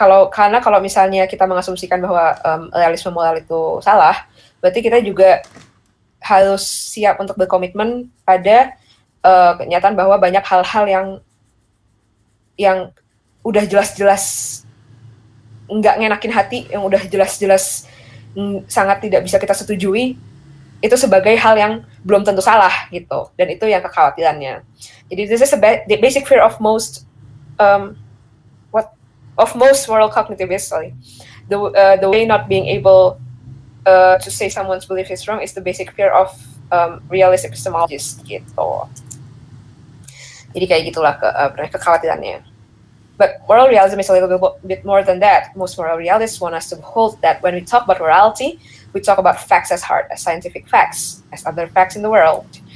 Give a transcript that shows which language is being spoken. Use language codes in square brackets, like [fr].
[id] Karena kalau misalnya kita mengasumsikan bahwa realisme moral itu salah, berarti kita juga harus siap untuk berkomitmen pada kenyataan bahwa banyak hal-hal yang udah jelas-jelas nggak ngenakin hati, yang udah jelas-jelas sangat tidak bisa kita setujui, itu sebagai hal yang belum tentu salah gitu, dan itu yang kekhawatirannya. Jadi [en] this is the basic fear of most moral cognitivists, sorry. The way not being able to say someone's belief is wrong is the basic fear of realist epistemologist gitu. [id] Jadi kayak gitulah kekhawatirannya. [en] But moral realism is a little bit more than that. Most moral realists want us to hold that when we talk about morality, we talk about facts as hard, as scientific facts, as other facts in the world.